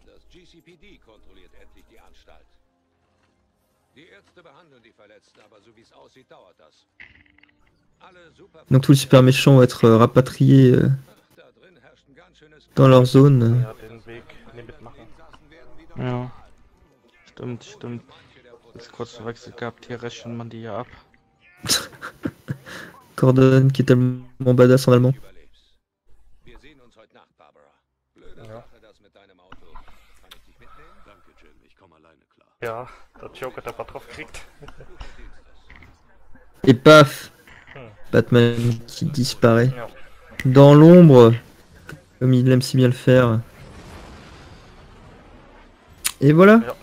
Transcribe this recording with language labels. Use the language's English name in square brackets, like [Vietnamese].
[German] GCPD kontrolliert endlich die Anstalt. Die Ärzte behandeln die Verletzten, aber so wie es aussieht, dauert das. Alle super. [French] Donc tous les super méchants vont être rapatriés dans leur zone. [German] Ja, den Weg mitmachen. Ja. Stimmt, stimmt. Jetzt kurz Wechsel gehabt, hier rechnet man die ja ab. [French] Cordon qui est tellement badass en allemand. [German] Ja, der Joker, der Bart drauf kriegt. [French] Et paf, Batman qui disparaît. Non. Dans l'ombre, comme il aime si bien le faire. Et voilà.